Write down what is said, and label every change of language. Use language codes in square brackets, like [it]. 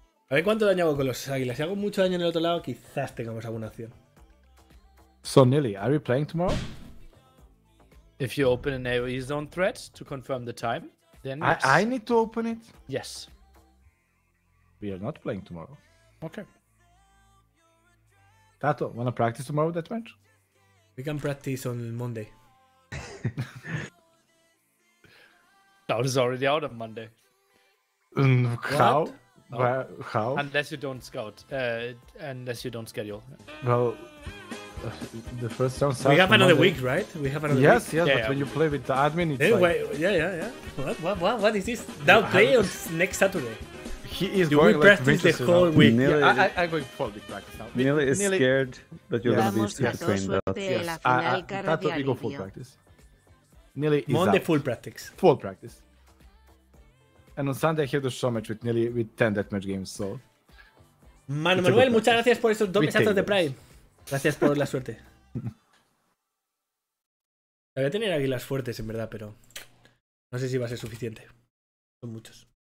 [es] A ver cuánto daño hago con los águilas. Si hago mucho daño en el otro lado, quizás tengamos alguna acción. [en] So Nili, are you playing tomorrow? If you open an AoE zone threat to confirm the time, then I need to open it? Yes. We are not playing tomorrow. Okay. Tato, wanna practice tomorrow that match? We can practice on Monday. That is already out on Monday. How? No. Where, how? Unless you don't schedule. Well, the first round starts. We have another week, right? We have another yes, week. Yes, yeah, but yeah. When you play with the admin, it's yeah, like... Wait, yeah. What is this? Now play on next Saturday. He is going to practice the whole week. Nearly, yeah, I'm going for the practice now. Nearly is scared that you're going to be trained out. Yes. Tato, you go full practice. Nearly is Monday full practice. Full practice. And on Sunday, I had a show match with nearly with 10 deathmatch games, so... [es] Manuel, muchas gracias por esos dos mesazos de Prime. Gracias por la suerte. Debería tener águilas fuertes, en verdad, pero... No sé si va a ser suficiente. Son muchos.